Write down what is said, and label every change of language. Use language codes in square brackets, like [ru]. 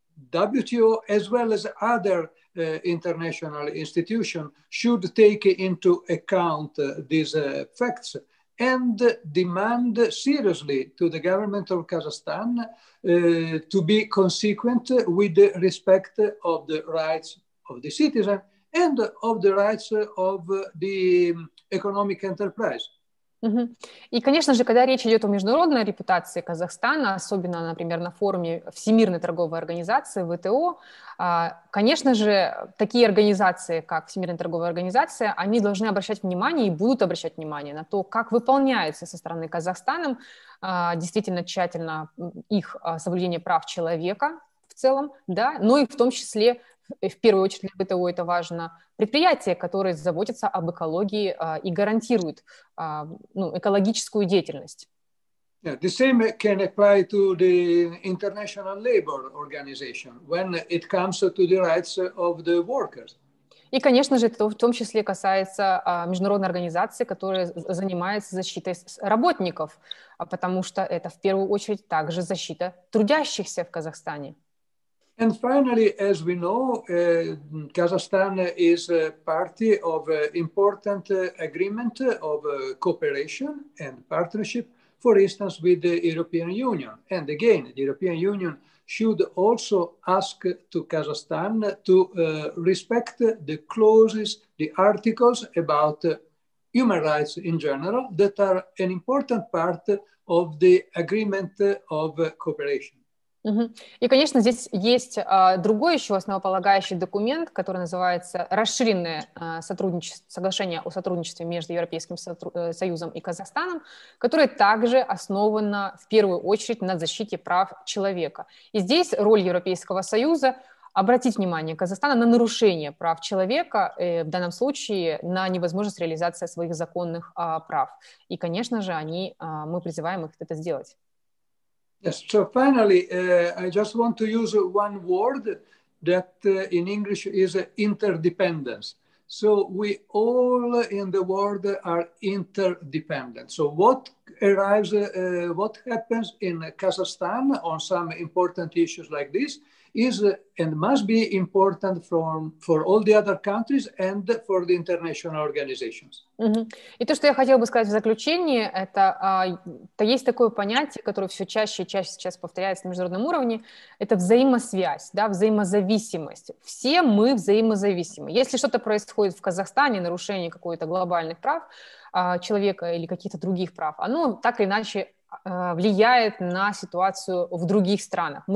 [en] WTO, as well as other international institutions, should take into account these facts and demand seriously to the government of Kazakhstan to be consequent with the respect of the rights of the citizen and of the rights of the economic enterprise. [ru] И, конечно же, когда речь идет о международной репутации Казахстана, особенно, например, на форуме Всемирной торговой организации, ВТО, конечно же, такие организации, как Всемирная торговая организация, они должны обращать внимание и будут обращать внимание на то, как выполняется со стороны Казахстана действительно тщательно их соблюдение прав человека в целом, да, но и в том числе, в первую очередь, для ВТО это важно, предприятия, которые заботятся об экологии и гарантируют экологическую деятельность. [en] Yeah, the same can apply to the International Labour Organization when it comes to the rights of the workers. [ru] И, конечно же, это в том числе касается международной организации, которая занимается защитой работников, потому что это в первую очередь также защита трудящихся в Казахстане. [en] And finally, as we know, Kazakhstan is a party of an important agreement of cooperation and partnership, for instance, with the European Union. And again, the European Union should also ask to Kazakhstan to respect the clauses, the articles about human rights in general that are an important part of the agreement of cooperation. [ru] И, конечно, здесь есть другой еще основополагающий документ, который называется «Расширенное соглашение о сотрудничестве между Европейским Союзом и Казахстаном», которое также основано в первую очередь на защите прав человека. И здесь роль Европейского Союза — обратить внимание Казахстана на нарушение прав человека, в данном случае на невозможность реализации своих законных прав. И, конечно же, мы призываем их это сделать. [en] Yes, so finally, I just want to use one word that in English is interdependence. So we all in the world are interdependent. So what arrives, what happens in Kazakhstan on some important issues like this is and must be important for all the other countries and for the international organizations. Mm-hmm. [ru] И то, что я хотела бы сказать в заключение, это то есть такое понятие, которое все чаще и чаще сейчас повторяется на международном уровне, это взаимосвязь, да, взаимозависимость. Все мы взаимозависимы. Если что-то происходит в Казахстане, нарушение какой-то глобальных прав человека или каких-то других прав, оно так или иначе влияет на ситуацию в других странах.